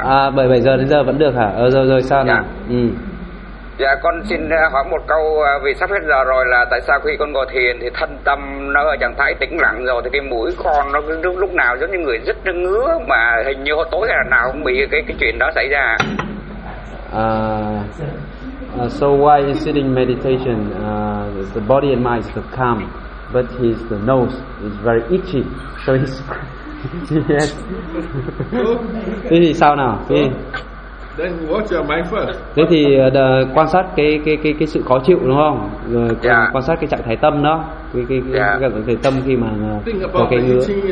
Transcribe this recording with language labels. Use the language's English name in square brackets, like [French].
[Vietnamese] À 7 giờ đến giờ vẫn được hả? Rồi sao nào? Dạ con xin hỏi một câu, vì sắp hết giờ rồi, là tại sao khi con ngồi thiền thì thân tâm nó ở trạng thái tĩnh lặng rồi thì cái mũi con nó lúc nào giống như người rất nó ngứa, mà hình như tối hay là nào cũng bị cái chuyện đó xảy ra. [English] So why in sitting meditation the body and mind is so calm, but his the nose is very itchy, so he's yes. [Vietnamese] Thế thì sao nào? [English] Then watch your mind first. [Vietnamese] Thế thì quan sát cái sự khó chịu đúng không? Rồi quan sát cái trạng thái tâm đó, cái trạng thái tâm khi mà có cái ngứa.